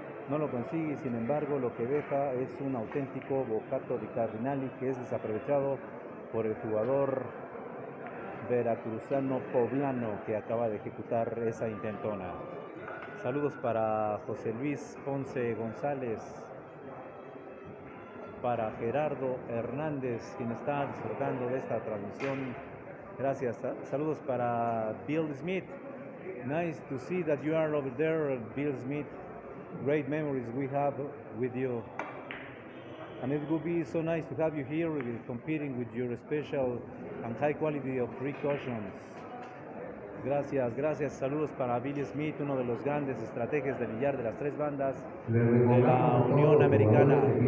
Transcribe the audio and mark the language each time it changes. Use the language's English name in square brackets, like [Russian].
[Spanish] No lo consigue, sin embargo, lo que deja es un auténtico bocato di Cardinali, que es desaprovechado por el jugador veracruzano poblano que acaba de ejecutar esa intentona. Saludos para José Luis Ponce González, para Gerardo Hernández, quien está disfrutando de esta transmisión. Gracias. Saludos para Bill Smith. [English] Nice to see that you are over there, Bill Smith. Great memories we have with you. And it would be so nice to have you here competing with your special and high quality of precautions. [Spanish] Gracias, gracias. Saludos para Billy Smith, uno de los grandes estrategas de billar de las tres bandas de la Unión Americana.